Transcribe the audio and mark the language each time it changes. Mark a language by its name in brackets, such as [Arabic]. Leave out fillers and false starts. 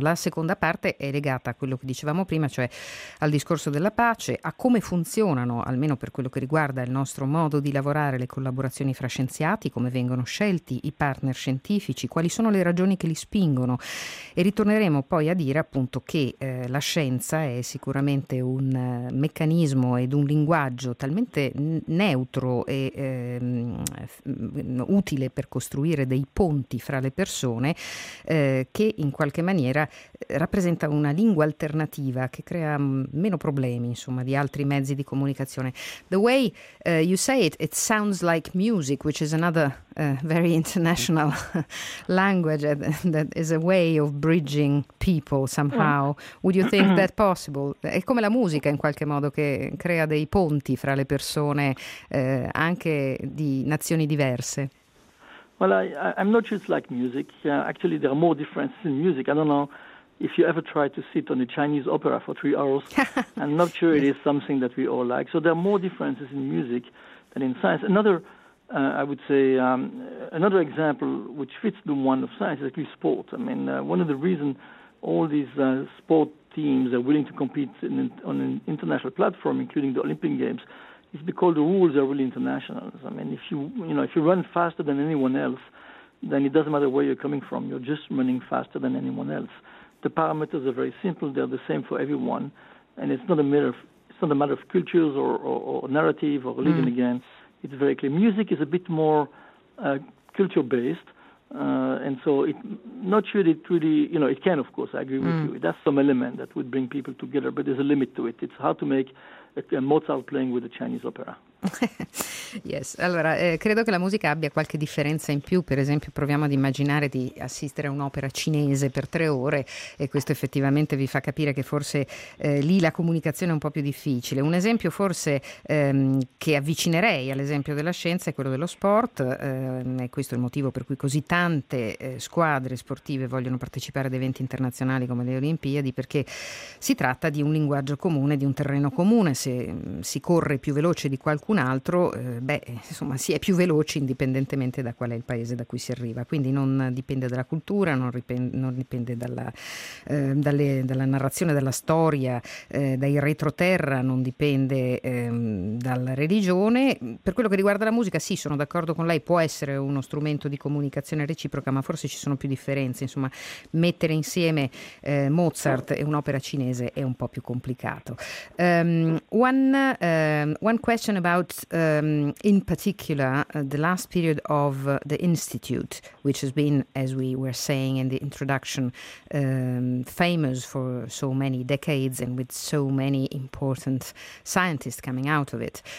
[Italian] La seconda parte è legata a quello che dicevamo prima, cioè al discorso della pace, a come funzionano, almeno per quello che riguarda il nostro modo di lavorare, le collaborazioni fra scienziati, come vengono scelti i partner scientifici, quali sono le ragioni che li spingono, e ritorneremo poi a dire appunto che la scienza è sicuramente un meccanismo ed un linguaggio talmente neutro e utile per costruire dei ponti fra le persone che in qualche maniera rappresenta una lingua alternativa che crea meno problemi, insomma, di altri mezzi di comunicazione. [English] The way you say it, it sounds like music, which is another very international language that is a way of bridging people somehow. Would you think that possible? [Italian] È come la musica in qualche modo che crea dei ponti fra le persone anche di nazioni diverse. [English] Well, I'm not sure it's like music. Actually, there are more differences in music. I don't know if you ever try to sit on a Chinese opera for 3 hours. I'm not sure it is something that we all like. So there are more differences in music than in science. Another, I would say, another example which fits the one of science is actually sport. I mean, one of the reasons all these sport teams are willing to compete on an international platform, including the Olympic Games, it's because the rules are really international. I mean, if you run faster than anyone else, then it doesn't matter where you're coming from. You're just running faster than anyone else. The parameters are very simple. They're the same for everyone, and it's not a matter of cultures or narrative or religion. Again, it's very clear. Music is a bit more culture based, and so it not sure it really, you know, it can, of course, I agree with you. It has some element that would bring people together, but there's a limit to it. It's hard to make Mozart playing with a Chinese opera. [Italian] Yes, allora credo che la musica abbia qualche differenza in più. Per esempio, proviamo ad immaginare di assistere a un'opera cinese per 3 ore, e questo effettivamente vi fa capire che forse lì la comunicazione è un po' più difficile. Un esempio forse che avvicinerei all'esempio della scienza è quello dello sport, e questo è il motivo per cui così tante squadre sportive vogliono partecipare ad eventi internazionali come le Olimpiadi, perché si tratta di un linguaggio comune, di un terreno comune. Se si corre più veloce di qualcun altro, insomma, si è più veloci indipendentemente da qual è il paese da cui si arriva. Quindi non dipende dalla cultura, non dipende dalla narrazione, dalla storia, dai retroterra, non dipende dalla religione. Per quello che riguarda la musica, sì, sono d'accordo con lei, può essere uno strumento di comunicazione reciproca, ma forse ci sono più differenze. Insomma, mettere insieme Mozart e un'opera cinese è un po' più complicato. [English] One question about, in particular, the last period of the Institute, which has been, as we were saying in the introduction, famous for so many decades and with so many important scientists coming out of it.